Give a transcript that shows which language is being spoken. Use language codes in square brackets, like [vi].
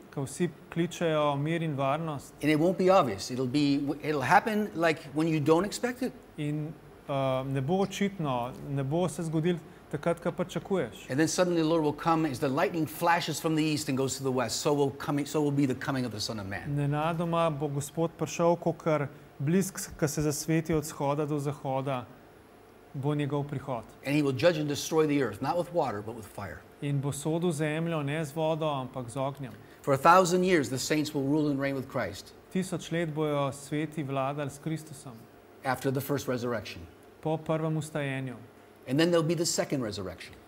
[sl] Ko vsi kličejo mir in varnost. [en] And it won't be obvious. It'll happen like when you don't expect it. [sl] In ne bo očitno, ne bo se zgodilo takrat, ko pričakuješ. [en] And then suddenly the Lord will come as the lightning flashes from the east and goes to the west. So will be the coming of the Son of Man. [sl] Nenadoma bo Gospod prišel, kakor blisk, ko se zasveti od vzhoda do zahoda, bo njegov prihod. [en] And he will judge and destroy the earth, not with water, but with fire. [sl] In bo sodil zemljo, ne z vodo, ampak z ognjem. [en] For 1,000 years, the saints will rule and reign with Christ. [sl] 1,000 let bojo sveti vladali s Kristusom. [en] After the first resurrection. [sl] Po prvem vstajenju. [en] And then there'll be the second resurrection.